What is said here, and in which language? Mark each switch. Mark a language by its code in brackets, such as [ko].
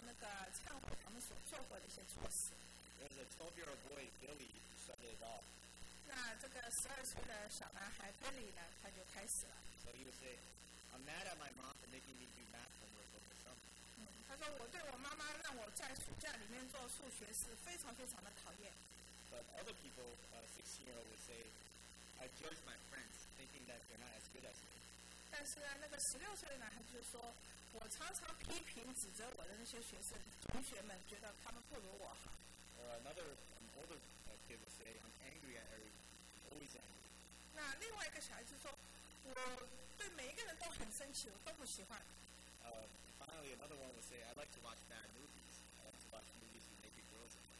[zh] 所以呢，这就是我们要求他们要那个忏悔他们所做过的一些错事。 [en] There's a 12-year-old boy, Billy, who started it off. [zh] 那这个12岁的小男孩 Billy 呢，他就开始了。 [en] So he would say, I'm mad at my mom for making me do math homework over summer. [zh] 他说我对我妈妈让我在暑假里面做数学是非常非常的讨厌。 [en] But other people, 16-year-old would say, I judge my friends, thinking that they're not as good as me. [zh] 但是呢，那个16岁的男孩就说，我常常批评指责我的那些学生同学们，觉得他们不如我好。 [en] Or another older kid would say, I'm angry at everyone, always angry. [zh] 那另外一个小孩子说，我对每一个人都很生气，我都不喜欢。 [en] Finally, another one would say, I like to watch bad movies. I like to watch movies with naked girls.